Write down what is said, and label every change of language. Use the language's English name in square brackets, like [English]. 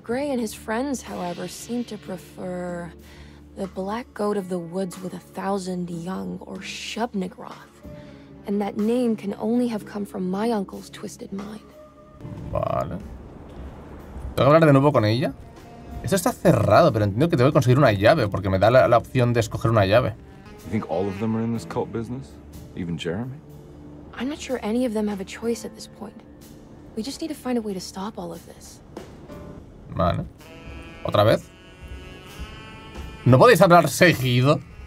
[English] Gray and his friends, however, seem to prefer the black goat of the woods with a thousand young, or Shubnigroth. And that name can only have come from my uncle's twisted mind. [Spanish] Vale. ¿Tengo que hablar de nuevo con ella? Esto está cerrado, pero entiendo que tengo que conseguir una llave, porque me da la opción de escoger una llave. [English] You think all of them are in this cult business? Even Jeremy? I'm not sure any of them have a choice at this point. We just need to find a way to stop all of this. [Spanish] Vale. ¿Otra vez? ¿No podéis hablar seguido?